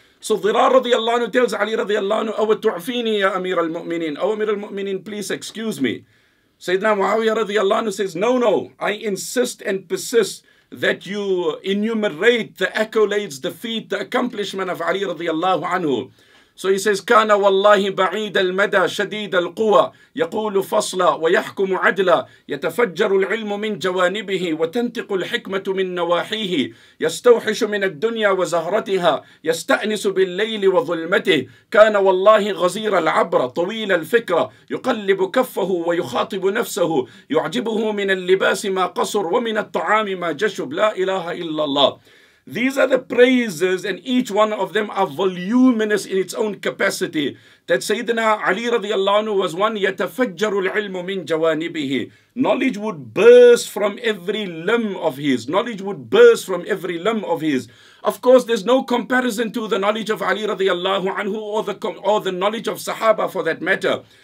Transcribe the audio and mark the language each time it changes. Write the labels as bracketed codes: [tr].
[en] So Dhirar radiallahu anhu tells Ali radiallahu anhu, Awa tu'fini ya Amir al-Mu'minin. Oh Amir al-Mu'minin, please excuse me. Sayyidina Muawiyah radiallahu anhu says, No, I insist and persist that you enumerate the accolades, the feat, the accomplishment of Ali radiallahu anhu. So he says, [ar] كان والله بعيد المدى شديد القوى يقول فصلا ويحكم عدلا يتفجر العلم من جوانبه وتنطق الحكمة من نواحيه يستوحش من الدنيا وزهرتها يستأنس بالليل وظلمته كان والله غزير العبر طويل الفكرة يقلب كفه ويخاطب نفسه يعجبه من اللباس ما قصر ومن الطعام ما جشب لا إله إلا الله. [en] These are the praises, and each one of them are voluminous in its own capacity. That Sayyidina Ali radiallahu anhu was one, [ar] يَتَفَجَّرُ الْعِلْمُ مِنْ جَوَانِبِهِ. [en] Knowledge would burst from every limb of his. Knowledge would burst from every limb of his. Of course, there's no comparison to the knowledge of Ali radiallahu anhu or the knowledge of Sahaba for that matter.